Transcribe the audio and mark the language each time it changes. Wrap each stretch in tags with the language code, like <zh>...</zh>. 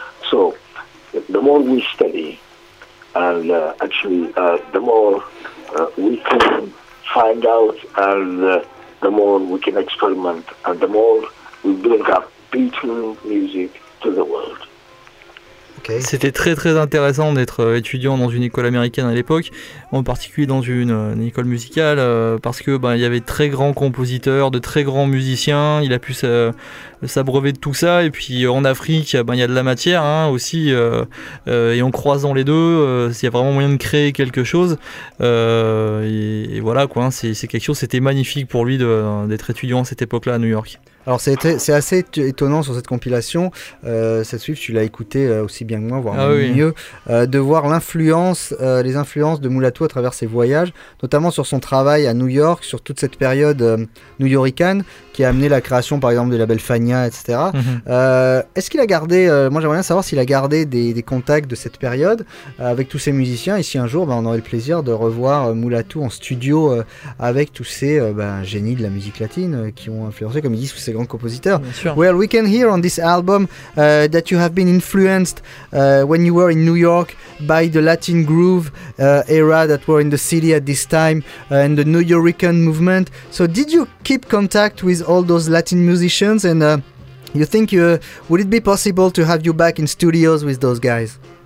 <en>So the more we study, and the more we can find out, and the more we can experiment, and the more we bring up beautiful music to the world. Okay.</en> <fr>C'était très très intéressant d'être étudiant dans une école américaine à l'époque, en particulier dans une école musicale, parce que il y avait de très grands compositeurs, de très grands musiciens, il a pu s'abreuver de tout ça, et puis en Afrique il y a de la matière aussi, et en croisant les deux, il y a vraiment moyen de créer quelque chose, et voilà quoi, c'est quelque chose, c'était magnifique pour lui d'être étudiant à cette époque-là à New York. Alors c'est assez étonnant sur cette compilation, cette suite tu l'as écoutée aussi bien que moi, voire mieux, de voir les influences de Mulatu à travers ses voyages, notamment sur son travail à New York, sur toute cette période new-yorkaine qui a amené la création par exemple du label Fania, etc. Mm-hmm. Est-ce qu'il a gardé, moi j'aimerais bien savoir s'il a gardé des contacts de cette période avec tous ses musiciens, et si un jour on aurait le plaisir de revoir Mulatu en studio avec tous ces génies de la musique latine qui ont influencé, comme ils disent, ces grands compositeurs. Bien sûr.</fr> <en>Well, we can hear on this album that you have been influenced when you were in New York by the Latin groove era that were in the city at this time and the New Yorican movement. So did you keep contact with all those Latin musicians, and you think you would it be possible to have you back in studios with those guys?</en>